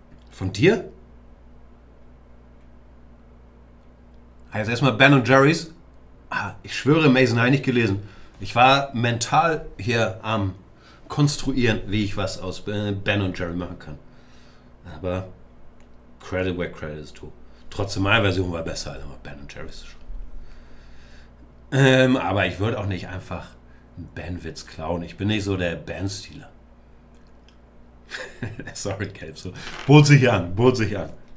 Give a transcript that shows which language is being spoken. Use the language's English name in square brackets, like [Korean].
[German] Von dir? Also erstmal Ben und Jerry's. Ah, ich schwöre, Mason habe ich nicht gelesen. Ich war mental hier am Konstruieren, wie ich was aus Ben und Jerry machen kann. [English] Aber Credit where credit is due. [German] Trotzdem, meine Version war besser als Ben und Jerry's. Aber ich würde auch nicht einfach einen Ben-Witz klauen. Ich bin nicht so der Ben-Stealer. Sorry, Kelp. So. Bot sich an, bot sich an.